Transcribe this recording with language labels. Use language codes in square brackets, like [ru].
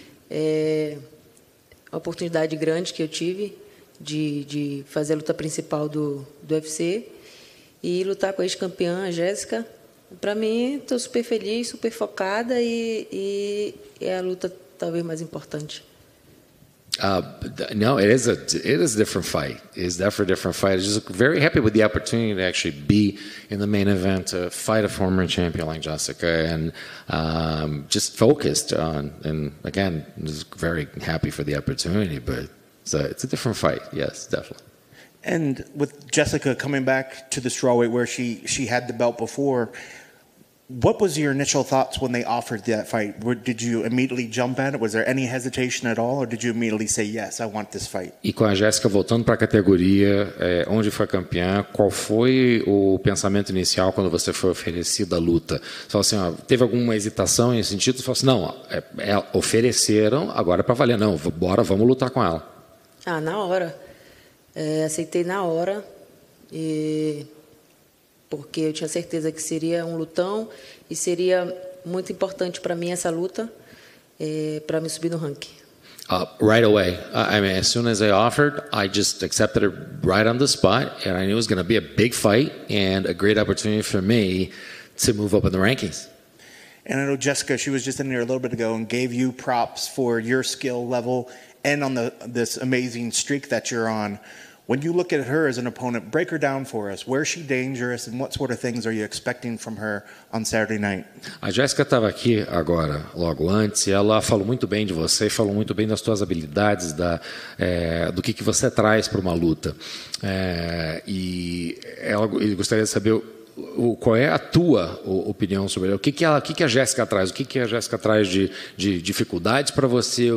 [pt] É uma oportunidade grande que eu tive de fazer a luta principal do UFC e lutar com a ex-campeã, a Jéssica. Para mim, estou super feliz, super focada e é a luta talvez mais importante. [en] No, it is a different fight. It's definitely a different fight. I'm just very happy with the opportunity to actually be in the main event to fight a former champion like Jessica, and just focused on. And again, just very happy for the opportunity. But it's a different fight. Yes, definitely. And with Jessica coming back to the strawweight where she had the belt before, what was your initial thoughts when they offered that fight? Did you immediately jump at it? Was there any hesitation at all? Or did you immediately say, yes, I want this fight? [pt] E com a Jéssica voltando para a categoria, onde foi campeã, qual foi o pensamento inicial quando você foi oferecida a luta? Você falou assim, ó, teve alguma hesitação em sentido? Você falou assim, não, ofereceram, agora é para valer. Não, bora, vamos lutar com ela. Ah, na hora. Aceitei na hora e... porque eu tinha certeza que seria um lutão e seria muito importante para mim essa luta, para me subir no ranking. [en] Right away. I mean, as soon as they offered, I just accepted it right on the spot, and I knew it was going to be a big fight and a great opportunity for me to move up in the rankings. And I know Jessica, she was just in here a little bit ago and gave you props for your skill level and on this amazing streak that you're on. When you look at her as an opponent, break her down for us. Where is she dangerous and what sort of things are you expecting from her on Saturday night? [pt] A Jessica estava aqui agora, logo antes, e ela falou muito bem de você, falou muito bem das suas habilidades, do que você traz para uma luta. Ele gostaria de saber qual é a tua opinião sobre ela. O que a Jessica traz? O que, que a Jessica traz de dificuldades para você?